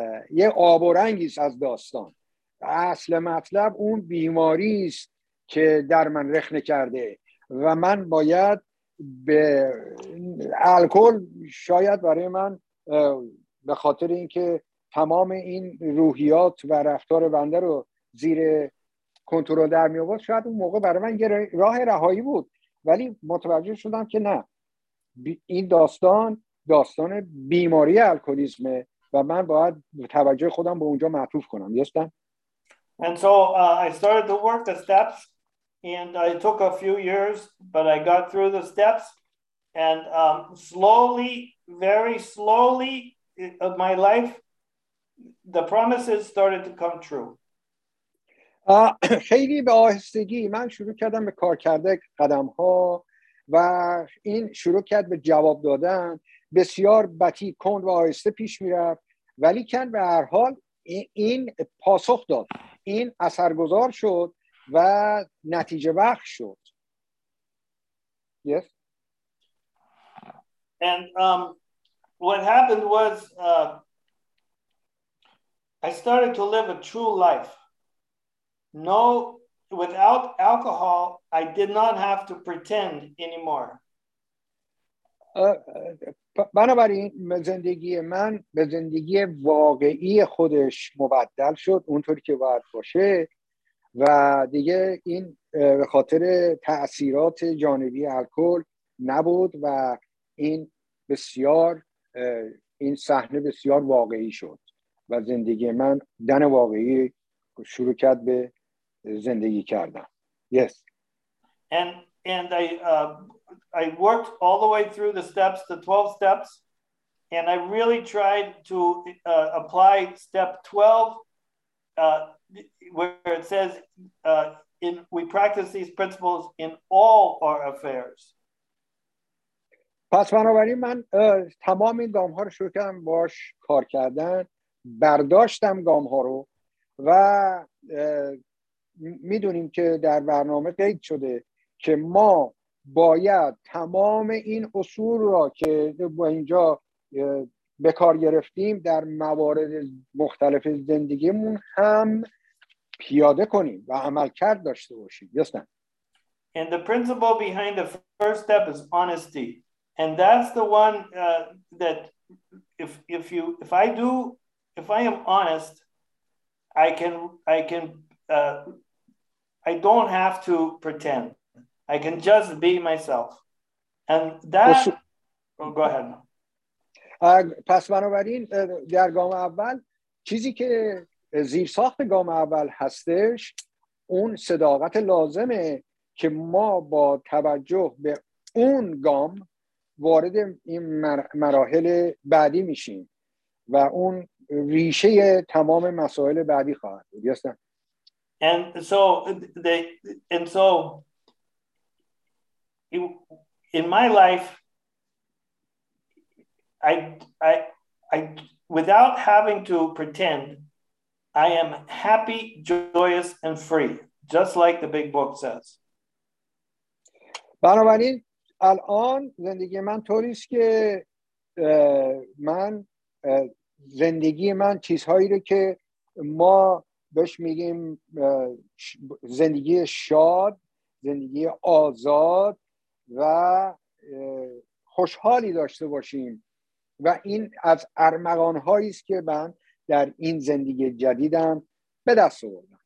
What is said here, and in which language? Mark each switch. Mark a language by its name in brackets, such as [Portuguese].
[Persian] یه آب و رنگیست از داستان. اصل مطلب اون بیماری است که در من رخنه کرده و من باید به الکل، شاید برای من به خاطر اینکه تمام این روحیات و رفتار بنده رو زیر کنترل در می آورد، شاید اون موقع برای من یه راه رهایی بود، ولی متوجه شدم که نه، این داستان داستان بیماری الکلیزمه و من باید توجه خودم به اونجا معطوف کنم. یستم. [English] And so I started to work the steps, and it took a few years, but I got through the steps, and slowly, very slowly, of my life, the promises started to come true. [Persian] خیلی به آهستگی من شروع کردم به کار کرده قدم ها و این شروع کرد به جواب دادن، بسیار بطی کند و آهسته پیش می رفت، ولی کن به هر حال این پاسخ داد، این اثرگذار شد و نتیجه بخش شد. [English] Yes. And what happened was I started to live a true life. No, without alcohol, I did not have to pretend anymore. [Persian] بنابراین زندگی من به زندگی واقعی خودش مبدل شد اونطوری که باید باشه و دیگه این به خاطر تأثیرات جانبی الکل نبود و این بسیار این صحنه بسیار واقعی شد و زندگی من دن واقعی شروع کرد به زندگی کردن. [English] Yes. And I worked all the way through the steps, the 12 steps, and I really tried to apply step 12, where it says, "In we practice these principles in all our affairs." [Persian] پس بنابراین من تمام این گام ها رو شروع کردم باش کار کردن، برداشتم گام ها رو و میدونیم که در برنامه قید شده که ما باید تمام این اصول را که با اینجا به کار گرفتیم در موارد مختلف زندگیمون هم پیاده کنیم و عملکرد داشته باشیم. [English] Yes. And the principle behind the first step is honesty, and that's the one that if I am honest I don't have to pretend. I can just be myself. And that... Go ahead. [Persian] پس بنابراین در گام اول چیزی که زیر ساخت گام اول هستش اون صداقت لازمه که ما با توجه به اون گام وارد این مراحل بعدی میشیم و اون ریشه تمام مسائل بعدی خواهد بود. یستم. [English] And so in my life, I without having to pretend, I am happy, joyous, and free, just like the big book says. [Persian] بنابراین الان زندگی من طوری است که من زندگی من چیزهایی رو که ما بهش میگیم زندگی شاد، زندگی آزاد و خوشحالی داشته باشیم و این از ارمغانهایی است که من در این زندگی جدیدم به دست آوردم.